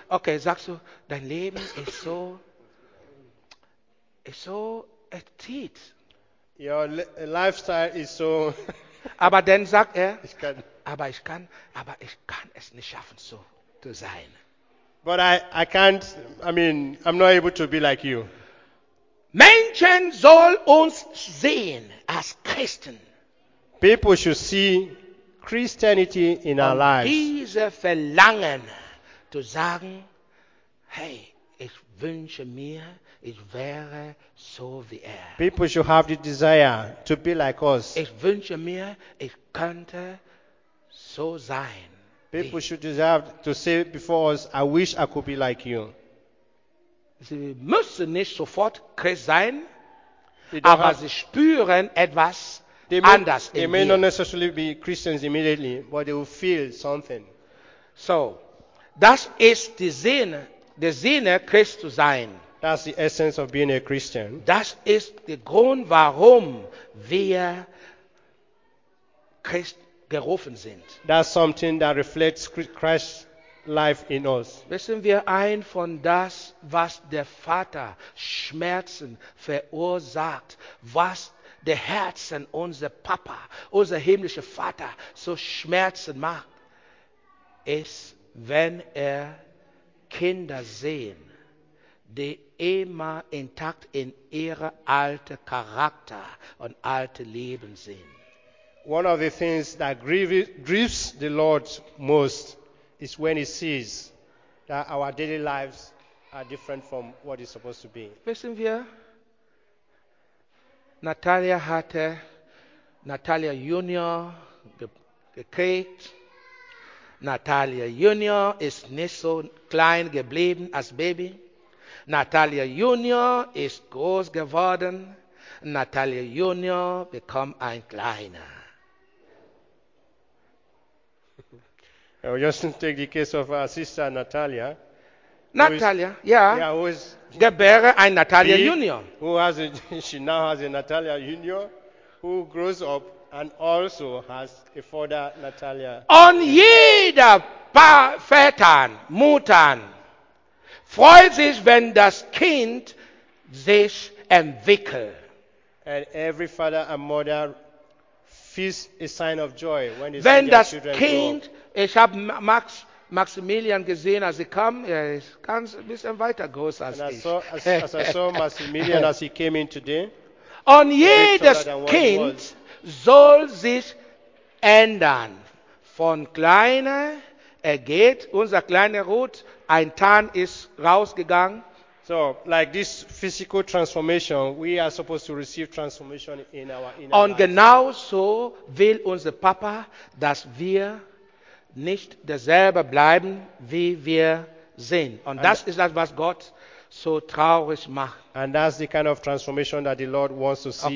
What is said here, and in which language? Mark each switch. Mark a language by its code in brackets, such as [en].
[de] Okay, sagst du, dein Leben ist so. Ist so erzieht. [en] Your lifestyle is so. [de] Aber dann sagt er. Ich kann. Aber ich kann es nicht schaffen, so zu sein. [en] But I can't. I mean, I'm not able to be like you. [de] Menschen soll uns sehen als Christen. [en] People should see Christianity in our lives. [de] Diese Verlangen zu sagen, hey, ich wünsche mir, ich wäre so wie er. [en] People should have the desire to be like us. [de] Ich wünsche mir, ich könnte so sein. [en] People should deserve to say before us, I wish I could be like you. [de] Sie müssen nicht sofort Christ sein, aber sie spüren etwas anders in mir. [en] They may not necessarily be Christians immediately, but they will feel something. [de] So, das ist der Sinne, Christ zu sein. [en] That's the essence of being a Christian. [de] Das ist der Grund, warum wir Christ gerufen sind. [en] That's something that reflects Christ's life in us. [de] Wissen wir ein von das, was der Vater Schmerzen verursacht, was der Herzen unser Papa, unser himmlischer Vater so Schmerzen macht, ist, wenn er Kinder sehen, die immer intakt in ihrem alten Charakter und alten Leben sind. [en] One of the things that grieves the Lord most is when he sees that our daily lives are different from what it's supposed to be. [de] Wissen wir, Natalia hatte Natalia Junior gekriegt. Natalia Junior ist nicht so klein geblieben als Baby. Natalia Junior ist groß geworden. Natalia Junior bekommt ein Kleiner. [en] I will just take the case of our sister Natalia. [de] Natalia, gebäre ein Natalia Junior. [en] She now has a Natalia Junior who grows up and also has a father, Natalia. [de] Und jeder Väter, Mutter freut sich, wenn das Kind sich entwickelt. [en] And every father and mother feels a sign of joy when they [de] wenn [en] see their [de] das Kind. Ich habe Maximilian gesehen, als er kam. Er ist ganz ein bisschen weiter groß als [en] and [de] ich. [en] As I saw Maximilian as he came in today. [de] Und jedes Kind soll sich ändern. Von kleiner, er geht, unser kleiner Ruth, ein Tarn ist rausgegangen. [en] So, like this physical transformation, we are supposed to receive transformation in our inner life. [de] Und genau so will unser Papa, dass wir nicht derselbe bleiben, wie wir sind. Und das ist das, was Gott so traurig macht. [en] And that's the kind of transformation that the Lord wants to see